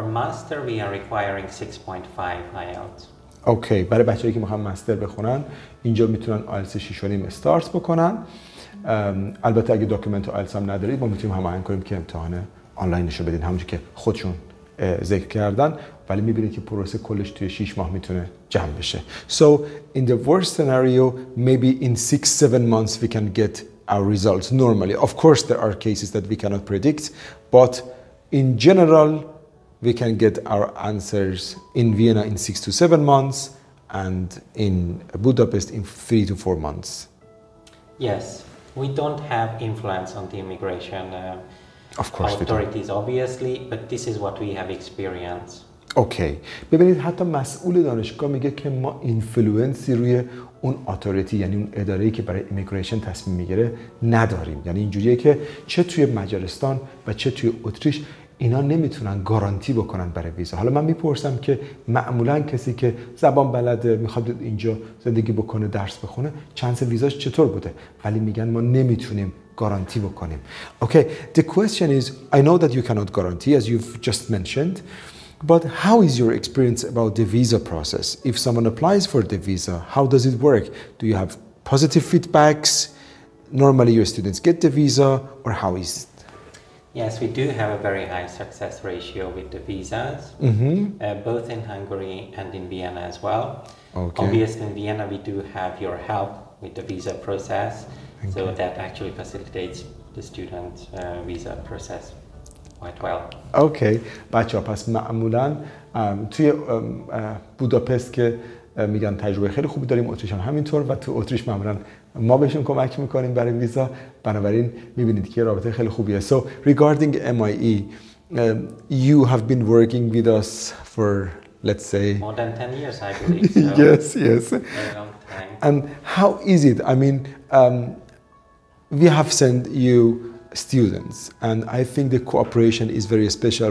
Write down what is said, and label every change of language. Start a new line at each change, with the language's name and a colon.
English: For master, we are requiring 6.5 IELTS.
Persian: Okay, برای بچه هایی که میخوان مستر بخونن، اینجا میتونن IELTS 6.5 استارت بکنن. البته اگه دکومنت IELTS هم ندارید، ما میتونیم هماهنگ کنیم که امتحان آنلاینش رو بدین، همونجوری که خودشون ذکر کردن. ولی میبینید که پروسه کلش توی 6 ماه میتونه جمع بشه.
English: So in the worst scenario, maybe in 6-7 months we can get our results normally. Of course there are cases that we cannot predict, but in general we can get our answers in Vienna in 6 to 7 months and in Budapest in 3 to 4 months. Yes, we don't have influence on the immigration of course authorities, obviously, but this is what we have experienced.
Persian: اوکی ببینید حتی مسئول دانشگاه میگه که ما اینفلوئنسی روی اون اتوریتی، یعنی اون اداره‌ای که برای ایمیگریشن تصمیم میگیره، نداریم. یعنی اینجوریه که چه توی مجارستان و چه توی اتریش اینا نمیتونن گارانتی بکنن برای ویزا. حالا من میپرسم که معمولا کسی که زبان بلده میخواد اینجا زندگی بکنه، درس بخونه، چانس ویزاش چطور بوده؟ ولی میگن ما نمیتونیم گارانتی بکنیم.
English: Okay the question is I know that you cannot guarantee as you just mentioned. But how is your experience about the visa process? If someone applies for the visa, how does it work? Do you have positive feedbacks? Normally your students get the visa, or how is it? Yes, we do have a very high success ratio with the visas, mm-hmm. Both in Hungary and in Vienna as well. Okay. Obviously in Vienna we do have your help with the visa process, okay. So that actually facilitates the student visa process. Well.
Persian: Okay, بچه ها پس معمولا توی بوداپست که میگن تجربه خیلی خوبی داریم، اتریش هم همینطور، و تو اتریش معمولا ما بهشون کمک میکنیم برای ویزا. بنابراین میبینید که رابطه خیلی خوبیه.
English: So regarding MIE, you have been working with us for, let's say, more than 10 years, I believe. So. Yes, yes. Very long time. And how is it? I mean, we have sent you students, and I think the cooperation is very special.